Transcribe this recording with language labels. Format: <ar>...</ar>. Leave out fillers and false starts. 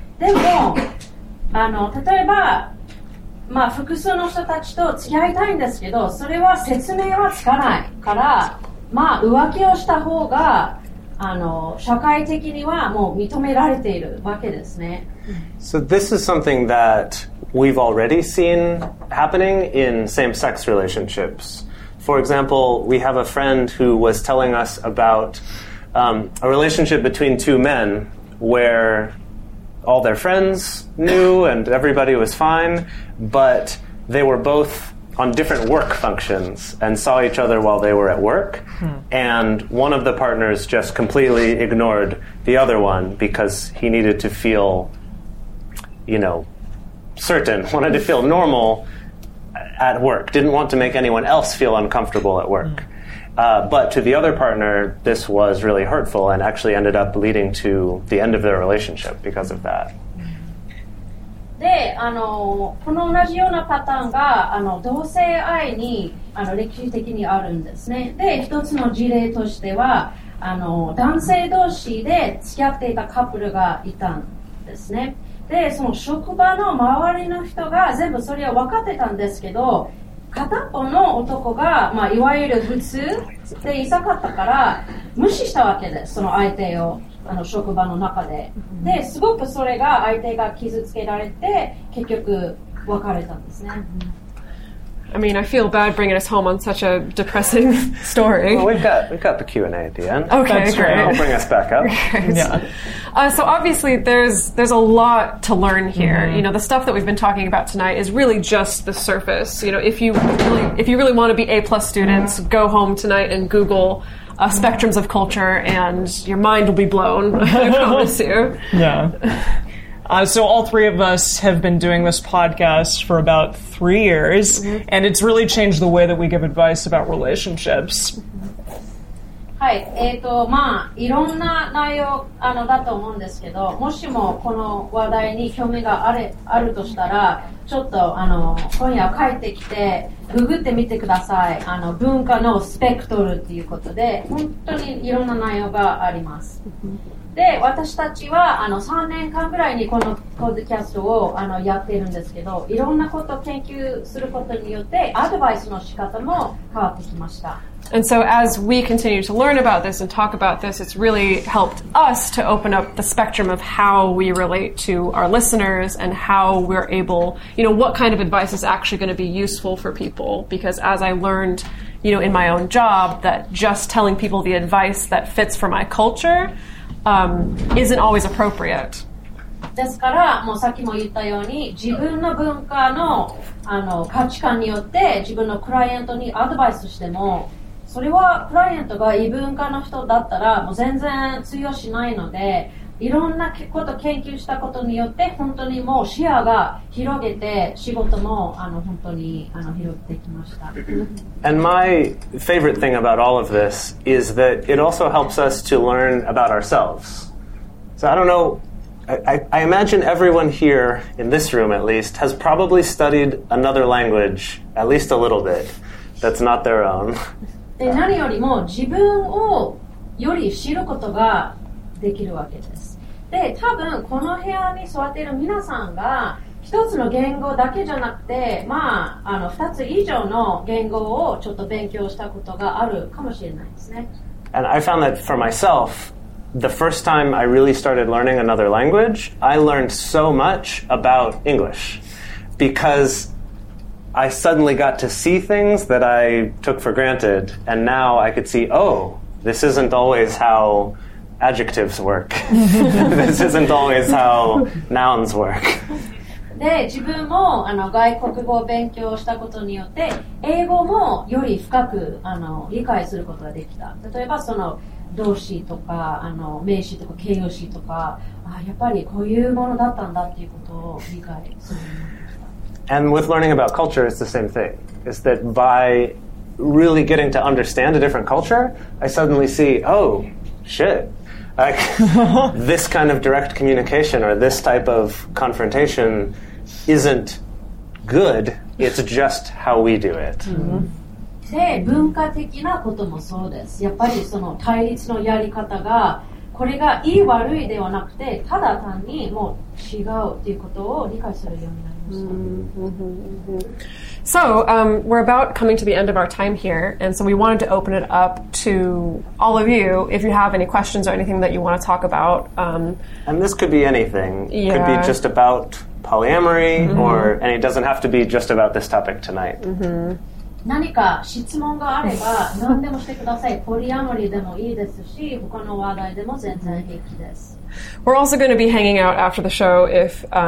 <ja>でも、例えば、まあ、複数の人たちと付き合いたいんですけど、それは説明はつかないから、まあ、浮気をした方が、社会的にはもう認められているわけですね。</ja> <en>So this is something that we've already seen happening in same-sex relationships. For example, we have a friend who was telling us about a relationship between two men where all their friends knew and everybody was fine, but they were both on different work functions and saw each other while they were at work, and one of the partners just completely ignored the other one because he needed to feel, you know, certain, wanted to feel normal at work, didn't want to make anyone else feel uncomfortable at work. But to the other partner, this was really hurtful and actually ended up leading to the end of their relationship because of that.</en> <ja>で、この同じようなパターンが、同性愛に、歴史的にあるんですね。で、一つの事例としては、男性同士で付き合っていたカップルがいたんですね。で、その職場の周りの人が全部それは分かってたんですけど、片方の男が、まあ、いわゆる普通でいさかったから、無視したわけです、その相手を、職場の中で。で、すごくそれが相手が傷つけられて、結局、別れたんですね。</ja> <en>I mean, I feel bad bringing us home on such a depressing story. Well, we've got the Q&A at the end. Okay, that's great. That'll bring us back up. Yeah. So obviously, there's a lot to learn here. Mm-hmm. You know, the stuff that we've been talking about tonight is really just the surface. You know, if you really want to be A+ students, mm-hmm. go home tonight and Google spectrums of culture, and your mind will be blown. I promise you. Yeah. So all three of us have been doing this podcast for about 3 years, mm-hmm. and it's really changed the way that we give advice about relationships.</en> <ja>はい、まあ、いろんな内容だと思うんですけど、もしもこの話題に興味があれあるとしたら、ちょっと今夜帰ってきてググってみてください。文化のスペクトルということで、本当にいろんな内容があります。で、私たちは3年間ぐらいにこのポッドキャストをやっているんですけど、いろんなことを研究することによってアドバイスの仕方も変わってきました。</ja> <en>And so as we continue to learn about this and talk about this, it's really helped us to open up the spectrum of how we relate to our listeners and how we're able, you know, what kind of advice is actually going to be useful for people. Because as I learned, you know, in my own job, that just telling people the advice that fits for my culture isn't always appropriate.</en> <ja>ですから、もうさっきも言ったように、自分の文化の、価値観によって自分のクライアントにアドバイスしても、それはクライアントが異文化の人だったらもう全然通用しないので、いろんなこと研究したことによって本当にもう視野が広げて、仕事も本当に広げてきました。</ja> <en>And my favorite thing about all of this is that it also helps us to learn about ourselves. So I don't know, I imagine everyone here in this room at least has probably studied another language at least a little bit that's not their own.</en> <ja>で、何よりも自分をより知ることができるわけです。で、多分この部屋に座っている皆さんが一つの言語だけじゃなくて、まあ、二つ以上の言語をちょっと勉強したことがあるかもしれないですね。</ja> <en>And I found that for myself, the first time I really started learning another language, I learned so much about English. Because I suddenly got to see things that I took for granted, and now I could see, oh, this isn't always how adjectives work. This isn't always how nouns work.</en> <ja>で、自分も外国語を勉強したことによって、英語もより深く理解することができた。例えば、その動詞とかあの名詞とか形容詞とかあやっぱりこういうものだったんだっていうことを理解するようになりました。</ja> <en>And with learning about culture, it's the same thing. It's that by really getting to understand a different culture, I suddenly see, oh, shit. Like, this kind of direct communication or this type of confrontation isn't good. It's just how we do it. Mm-hmm.</en> <ja>で、文化的なこともそうです。やっぱりその対立のやり方が、これがいい悪いではなくて、ただ単にもう違うということを理解するようになりました。</ja> <en>So, we're about coming to the end of our time here, and so we wanted to open it up to all of you, if you have any questions or anything that you want to talk about. And this could be anything. It could be just about polyamory, or, and it doesn't have to be just about this topic tonight. Mm-hmm.</en> <ja>何か質問があれば、何でもしてください。ポリアモリーでもいいですし、他の話題でも全然平気です。</ja> <en>We're also going to be hanging out after the show if...</en>